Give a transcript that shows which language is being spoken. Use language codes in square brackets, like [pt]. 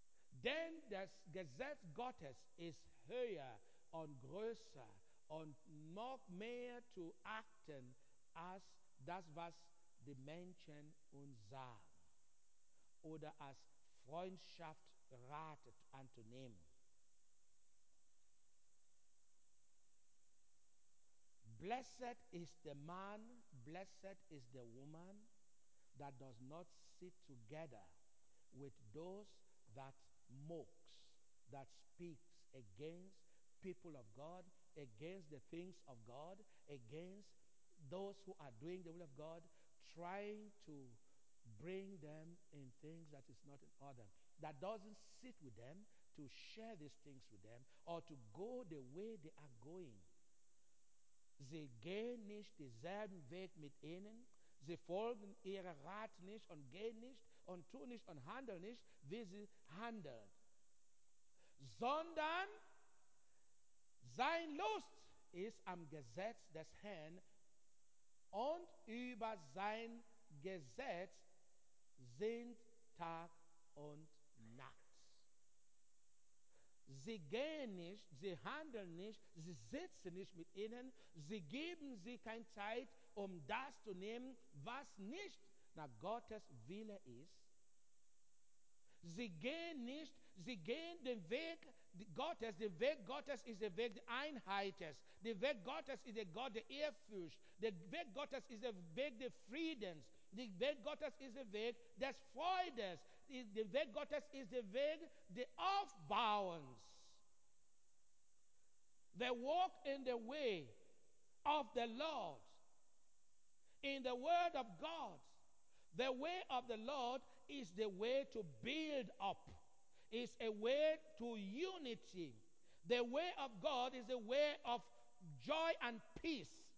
[de] Denn das Gesetz Gottes ist höher und größer und noch mehr zu achten als das, was die Menschen uns sagen oder als Freundschaft ratet anzunehmen. [en] Blessed is the man, blessed is the woman that does not sit together with those that mocks, that speaks against people of God, against the things of God, against those who are doing the will of God, trying to bring them in things that is not in order, that doesn't sit with them to share these things with them or to go the way they are going. [de] Sie gehen nicht denselben Weg mit ihnen. Sie folgen ihrem Rat nicht und gehen nicht und tun nicht und handeln nicht, wie sie handeln. Sondern sein Lust ist am Gesetz des Herrn und über sein Gesetz sind Tag und Nacht. Sie gehen nicht, sie handeln nicht, sie sitzen nicht mit ihnen, sie geben sie keine Zeit, um das zu nehmen, was nicht nach Gottes Wille ist. Sie gehen nicht, sie gehen den Weg Gottes. Der Weg Gottes ist der Weg der Einheit. Der Weg Gottes ist der Gott der Ehrfurcht. Der Weg Gottes ist der Weg des Friedens. Der Weg Gottes ist der Weg des Freudes. Der Weg Gottes ist der Weg des Aufbauens. [en] They walk in the way of the Lord, in the word of God. The way of the Lord is the way to build up. It's a way to unity. The way of God is a way of joy and peace.